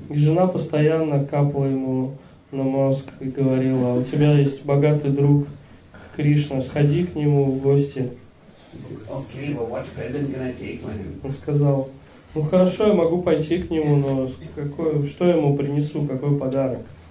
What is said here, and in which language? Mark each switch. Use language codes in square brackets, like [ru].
[ru] И жена постоянно капала ему на мозг и говорила: «У тебя есть богатый друг Кришна, сходи к нему в гости». [en] Okay, but what present can I take with him? [ru] Он сказал: «Ну хорошо, я могу пойти к нему, но что ему принесу, какой подарок?»